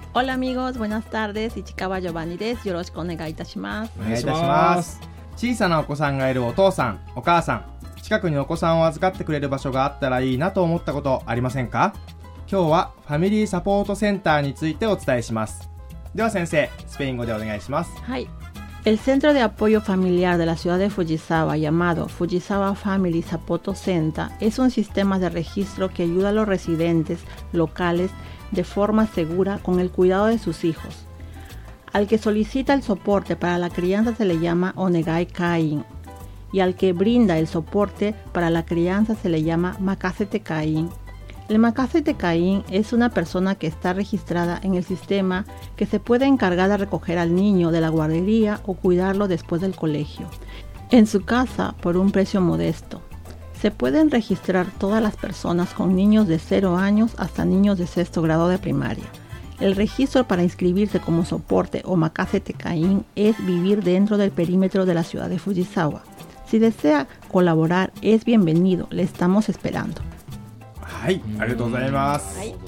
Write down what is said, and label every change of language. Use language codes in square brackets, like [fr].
[es] Hola amigos, buenas tardes, [ja] 市川ジョバンニです。よろしくお願いいたします。お願いいたします。小さなお子さんがいるお父さんお母さん、近くにお子さんを預かってくれる場所があったらいいなと思ったことありませんか？今日はファミリーサポートセンターについてお伝えします。では先生、スペイン語でお願いします。はい。 [es] El centro de apoyo familiar de la ciudad de Fujisawa llamado Fujisawa Family Support Center es un sistema de registro que ayuda a los residentes locales de forma segura con el cuidado de sus hijos. Al que solicita el soporte para la crianza se le llama Onegai Kain, y al que brinda el soporte para la crianza se le llama Makasete Kain. El Makasete Kain es una persona que está registrada en el sistema que se puede encargar de recoger al niño de la guardería o cuidarlo después del colegio, en su casa por un precio modesto. Se pueden registrar todas las personas con niños de 0 años hasta niños de sexto grado de primaria. El registro para inscribirse como soporte o Makasete Kain es vivir dentro del perímetro de la ciudad de Fujisawa. Si desea colaborar, es bienvenido. Le estamos esperando. [ja] はい、ありがとうございます。